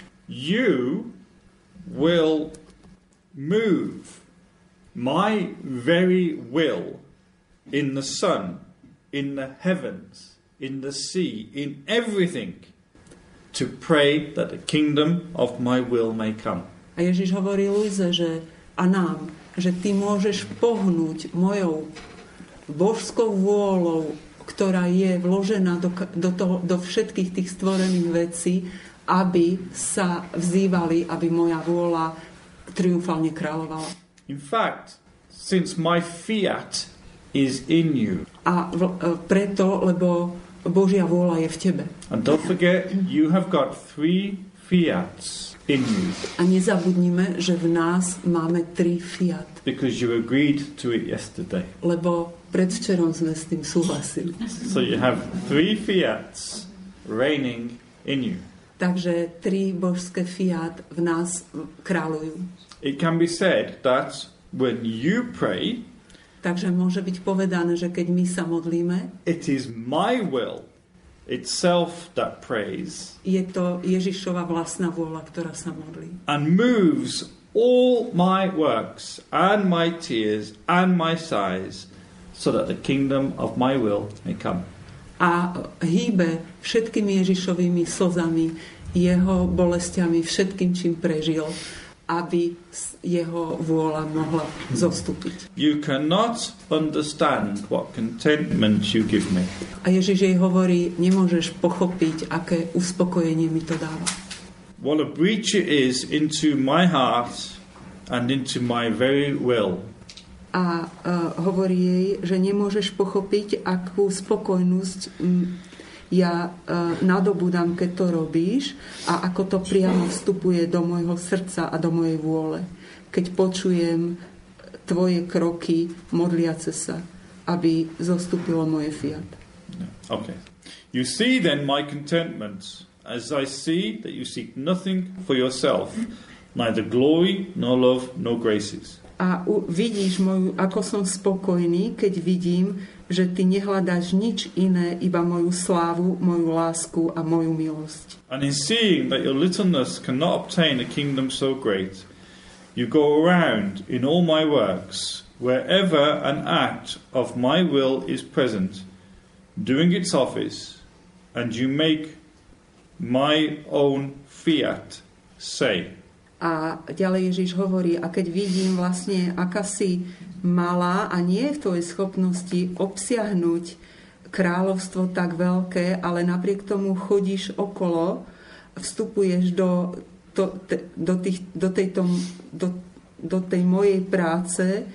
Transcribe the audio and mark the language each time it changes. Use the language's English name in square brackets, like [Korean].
[English] You will move my very will in the sun, in the heavens, in the sea, in everything, to pray that the kingdom of my will may come. [Slovak] A Ježiš hovorí Luize, že a nám, že ty môžeš pohnúť mojou božskou vôľou, ktorá je vložená do všetkých tých stvorených vecí, aby sa vzývali, aby moja vôľa triumfálne kráľovala. [English] In fact, since my fiat is in you. [Slovak] A preto, lebo Božia vôľa je v tebe. [English] And don't forget, you have got three fiat in you. [Slovak] A nezabudnime, že v nás máme tri fiat. [English] Because you agreed to it yesterday. [Slovak] Lebo predvčerom sme s tým súhlasili. [English] So you have three fiats reigning in you. [Slovak] Takže tri božské fiat v nás kráľujú. [English] It can be said that when you pray, [Slovak] takže môže byť povedané, že keď my sa modlíme, [English] it is my will itself that prays. [Slovak] Je to Ježišova vlastná vôľa, ktorá sa modlí. [English] And moves all my works and my tears and my sighs so that the kingdom of my will may come. [Slovak] A hýbe všetkými Ježišovými slzami, jeho bolestiami, všetkým, čím prežil, aby jeho vôľa mohla zostúpiť. [English] You cannot understand what contentment you give me. [Slovak] A Ježiš jej hovorí, nemôžeš pochopiť, aké uspokojenie mi to dáva. [English] What a breach it is into my heart and into my very will. [Slovak] A hovorí jej, že nemôžeš pochopiť, akú spokojnosť ja nadobúdam, keď to robíš a ako to priamo vstupuje do môjho srdca a do mojej vôle, keď počujem tvoje kroky modliace sa, aby zostúpilo moje fiat. [English] Okay. You see then my contentment as I see that you seek nothing for yourself, neither glory nor love nor graces. [Slovak] A vidíš moju, ako som spokojný, keď vidím, že ty nehľadáš nič iné, iba moju slávu, moju lásku a moju milosť. [English] And in seeing that your littleness cannot obtain a kingdom so great, you go around in all my works, wherever an act of my will is present, doing its office, and you make my own fiat say. [Slovak] A ďalej Ježiš hovorí, a keď vidím vlastne, aká si malá a nie je v tvojej schopnosti obsiahnuť kráľovstvo tak veľké, ale napriek tomu chodíš okolo, vstupuješ do tej mojej práce,